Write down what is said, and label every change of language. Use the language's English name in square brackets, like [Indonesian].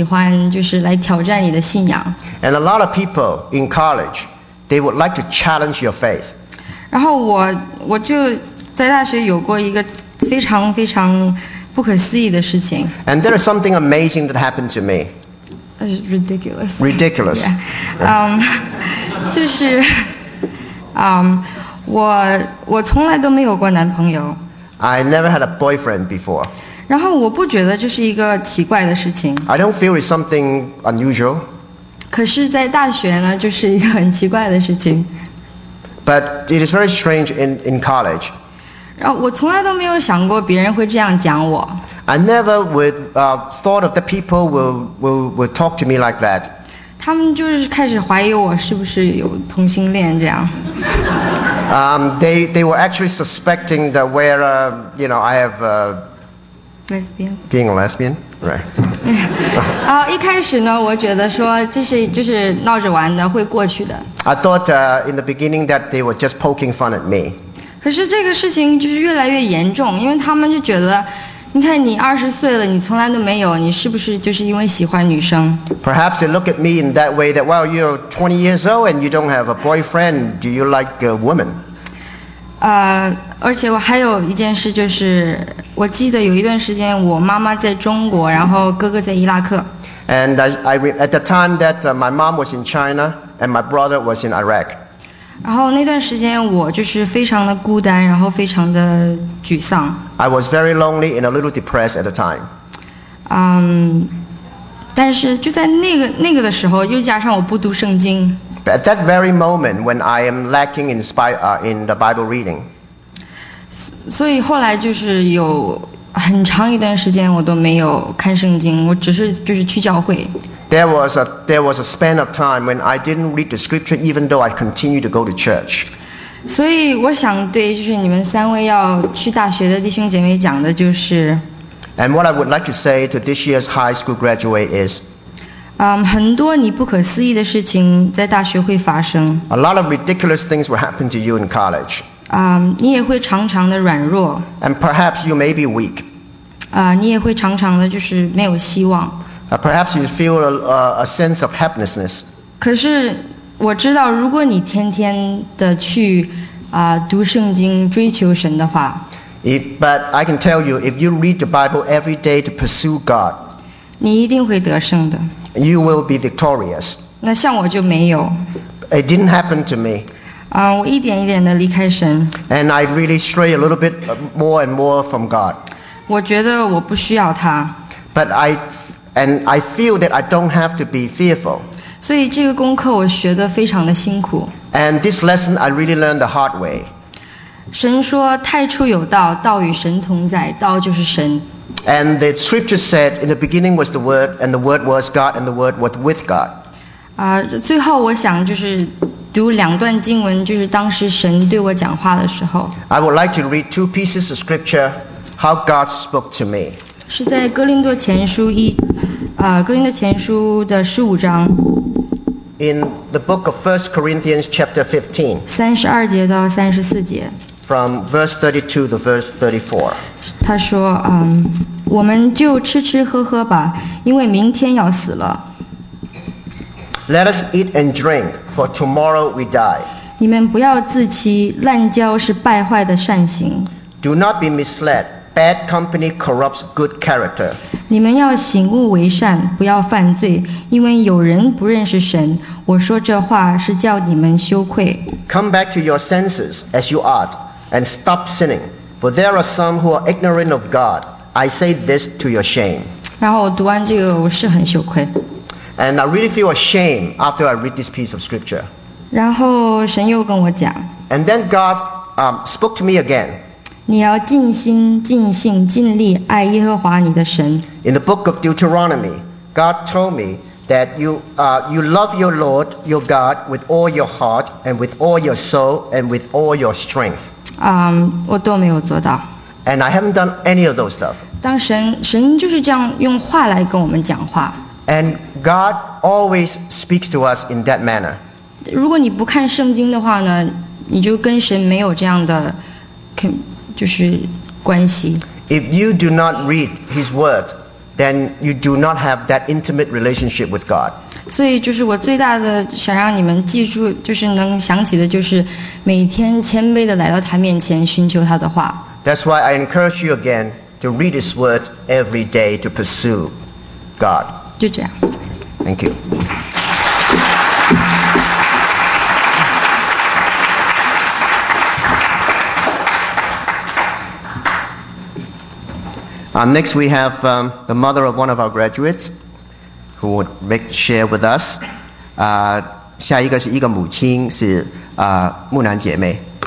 [Chinese] 而且大学呢，也有好多人喜欢就是来挑战你的信仰。 [English] And a lot of people in college, they would like to challenge your faith. [Chinese] 然后我就在大学有过一个非常非常不可思议的事情。 [English] And there is something amazing that happened to me. That's ridiculous. Ridiculous. Yeah. [Chinese] 就是，我从来都没有过男朋友。 [English] I never had a boyfriend before. [Chinese] 然后我不觉得这是一个奇怪的事情。 [English] I don't feel it's something unusual. [Chinese] 可是在大学呢，就是一个很奇怪的事情。 [English] But it is very strange in college. [Chinese] 然后我从来都没有想过别人会这样讲我。 [English] I never would thought of the people will talk to me like that. [Chinese] 他们就是开始怀疑我是不是有同性恋这样。 [English] They were actually suspecting that where you know I have lesbian. Being a lesbian, right? [Chinese] 一开始呢，我觉得说这是闹着玩的，会过去的。 [English] I thought in the beginning that they were just poking fun at me. [Chinese] 可是这个事情就是越来越严重，因为他们就觉得。你看你20岁了，你从来都没有，你是不是就是因为喜欢女生？ [English] Perhaps they look at me in that way that, well, you're 20 years old and you don't have a boyfriend. Do you like a woman? [Chinese] 而且我还有一件事就是，我记得有一段时间我妈妈在中国，然后哥哥在伊拉克。 [English] And at the time that my mom was in China and my brother was in Iraq. [Chinese] 然后那段时间我就是非常的孤单，然后非常的沮丧。 [English] I was very lonely and a little depressed at the time. [Chinese] 但是就在那个的时候，又加上我不读圣经。 [English] But at that very moment when I am lacking in the Bible reading. [Chinese] 所以后来就是有很长一段时间我都没有看圣经，我只是就是去教会。 [English] There was a span of time when I didn't read the scripture, even though I continued to go to church. [Chinese] 所以我想对就是你们三位要去大学的弟兄姐妹讲的就是。 [English] And what I would like to say to this year's high school graduate is. [Chinese] 很多你不可思议的事情在大学会发生。 [English] A lot of ridiculous things will happen to you in college. [Chinese] 你也会常常的软弱。 [English] And perhaps you may be weak. [Chinese] 你也会常常的就是没有希望。 [English] Perhaps you feel a sense of helplessness. [Chinese] 可是我知道，如果你天天的去读圣经，追求神的话。 [English] But I can tell you, if you read the Bible every day to pursue God, [Chinese] 你一定会得胜的。 [English] You will be victorious. [Chinese] 那像我就没有。 [English] It didn't happen to me. [Chinese] 我一点一点的离开神。 [English] And I really stray a little bit more and more from God. [Chinese] 我觉得我不需要他。 [English] And I feel that I don't have to be fearful. [Chinese] 所以这个功课我学得非常的辛苦。 [English] And this lesson I really learned the hard way. [Chinese] 神说太初有道，道与神同在，道就是神。 [English] And the scripture said, in the beginning was the word, and the word was God, and the word was with God. [Chinese] 最后我想就是读两段经文，就是当时神对我讲话的时候。 [English] I would like to read two pieces of scripture, how God spoke to me. [Chinese] 是在哥林多前书一，哥林多前书的十五章。 [English] In the book of 1 Corinthians chapter 15. [Chinese] 三十二节到三十四节。 [English] From verse 32 to verse 34. [Chinese] 他说，我们就吃吃喝喝吧，因为明天要死了。 [English] Let us eat and drink, for tomorrow we die. [Chinese] 你们不要自欺，滥交是败坏的善行。 [English] Do not be misled. Bad company corrupts good character. [Chinese] 你们要醒悟为善，不要犯罪，因为有人不认识神。我说这话是叫你们羞愧。 [English] Come back to your senses as you ought, and stop sinning. For there are some who are ignorant of God. I say this to your shame. [Chinese] 然后我读完这个，我是很羞愧。 [English] And I really feel ashamed after I read this piece of scripture. [Chinese] 然后神又跟我讲。 [English] And then God, spoke to me again. [Chinese] 你要尽心尽性尽力爱耶和华你的神。 [English] In the book of Deuteronomy, God told me that you love your Lord your God with all your heart and with all your soul and with all your strength. [Chinese] 我都没有做到。 [English] And I haven't done any of those stuff. [Chinese] 当神就是这样用话来跟我们讲话。 [English] And God always speaks to us in that manner. [Chinese] 如果你不看圣经的话呢，你就跟神没有这样的就是关系。 [English] If you do not read His words, then you do not have that intimate relationship with God. [Chinese] 所以就是我最大的想让你们记住，就是能想起的，就是每天谦卑的来到他面前，寻求他的话。 [English] That's why I encourage you again to read His words every day to pursue God. [Chinese] 就这样。 [English] Thank you. Next, we have the mother of one of our graduates who would like to share with us. [Chinese] 下一个是一个母亲，是木兰姐妹。